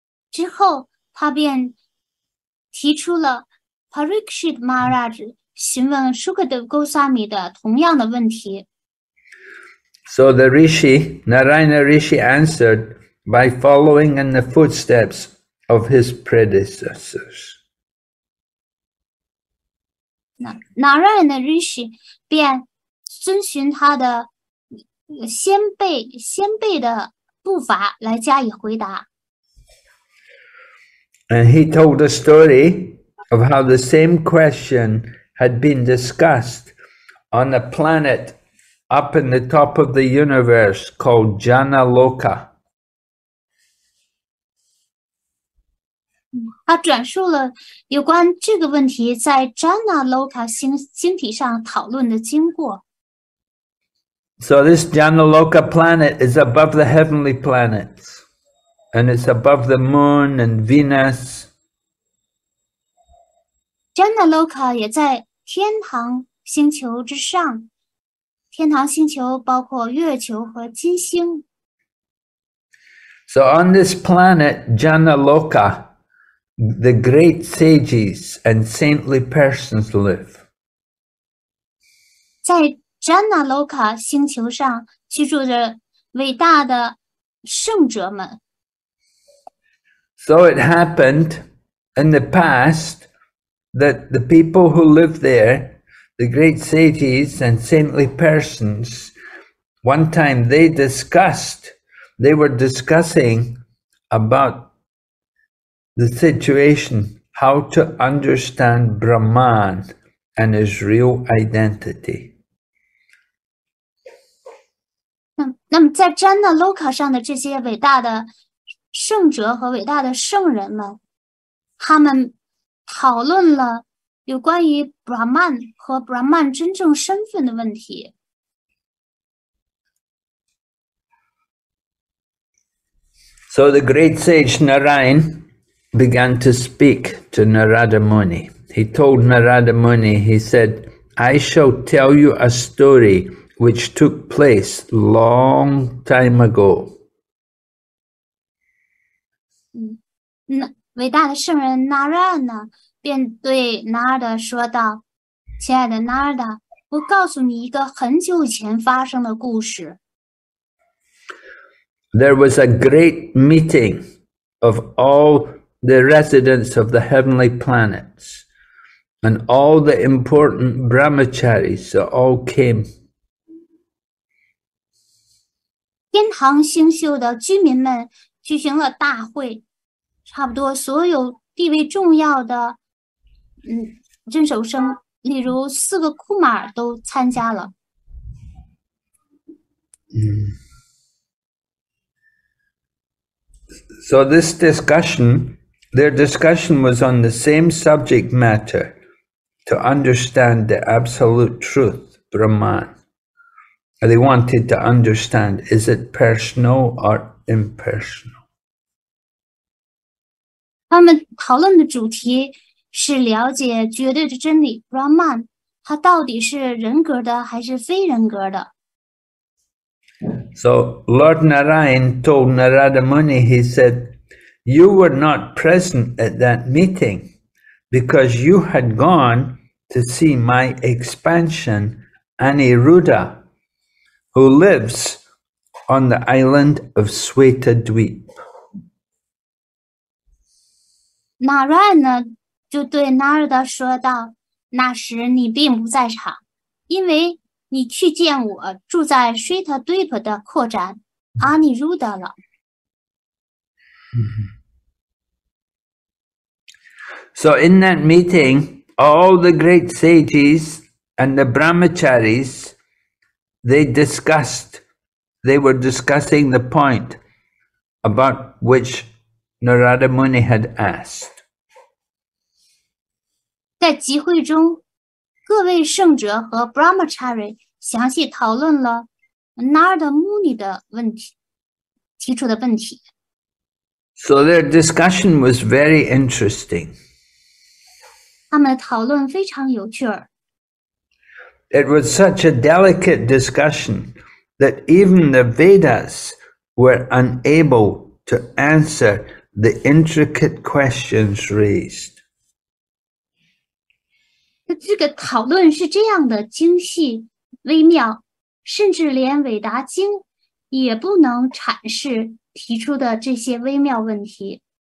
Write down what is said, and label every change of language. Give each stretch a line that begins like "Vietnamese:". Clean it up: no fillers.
Chinese: 之后他便提出了 Parikshit Maharaj询问 Sukadeva Goswami 的同样的问题。
English: So the Rishi, Narayana Rishi answered by following in the footsteps of his predecessors.
Chinese: Narayana Rishi 便遵循他的先辈的步伐来加以回答。
English: And he told a story of how the same question had been discussed on a planet up in the top of the universe called Janaloka.
Chinese: 他转述了有关这个问题在 Janaloka 星体上讨论的经过。
English: So this Janaloka planet is above the heavenly planets, and it's above the moon and Venus.
Chinese: Janaloka 也在天堂星球之上，天堂星球包括月球和金星。
English: So on this planet, Janaloka, the great sages and saintly persons live.
Chinese: 在詹纳洛卡星球上居住着伟大的圣者们。
English: So it happened in the past that the people who lived there, the great sages and saintly persons, one time they were discussing about the situation, how to understand Brahman and his real identity.
Chinese: 那么在詹纳洛卡上的这些伟大的圣哲和伟大的圣人们，他们讨论了有关于 Brahman 和 Brahman 真正身份的问题。
English: So the great sage Narayan began to speak to Narada Muni. He told Narada Muni, he said, I shall tell you a story which took place long time ago.
Chinese: 伟大的圣人 Narayana 便对 Narada 说道，亲爱的 Narada, 我告诉你一个很久以前发生的故事。
English: There was a great meeting of all the residents of the heavenly planets, and all the important brahmacharis all came.
Chinese: 天堂星宿的居民们举行了大会，差不多所有地位重要的镇守生，例如四个库玛尔都参加了。
English: So this discussion, their discussion was on the same subject matter, to understand the absolute truth, Brahman. They wanted to understand, is it personal or impersonal?
Chinese: 他们讨论的主题是了解绝对的真理 Brahman, 它到底是人格的还是非人格的。
English: So Lord Narayan told Narada Muni, he said, you were not present at that meeting Because you had gone to see my expansion, Aniruddha, who lives on the island of Sweta Dweep.
Chinese: Narayan 呢就对 Narada 说道，那时你并不在场，因为你去见我住在 Sweta Dweep 的扩展 Aniruddha 了。
English: So in that meeting, all the great sages and the brahmacharis, they were discussing the point about which Narada Muni had asked.
Chinese: 在集会中，各位圣哲和 brahmachari 详细讨论了 Narada Muni 的问题，提出的问题。
English: So their discussion was very interesting.
Chinese: 他们的讨论非常有趣儿。
English: It was such a delicate discussion that even the Vedas were unable to answer the intricate questions raised.
Chinese: 这个讨论是这样的精细微妙，甚至连韦达经也不能阐释提出的这些微妙问题。